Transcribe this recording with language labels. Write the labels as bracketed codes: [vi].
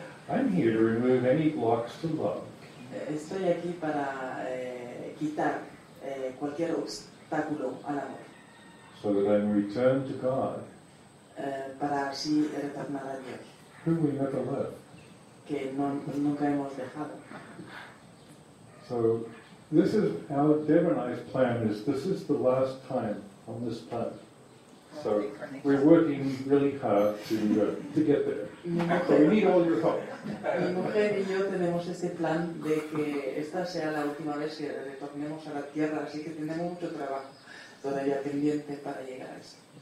[en] I'm here to remove any blocks to love. [es] Estoy aquí para quitar cualquier obstáculo al amor. [en] So that I'm returned to God. [es] Para así retornar a Dios. [en] Who we never left. [es] Que no, nunca hemos dejado. [en] So this is how Deb and I's plan is. This is the last time on this planet. So we're working really hard to get there. So we need all your help. [es] Mi mujer y yo tenemos ese plan de que esta sea la última vez que retornemos a la tierra, así que tenemos mucho trabajo todavía pendiente para llegar a eso.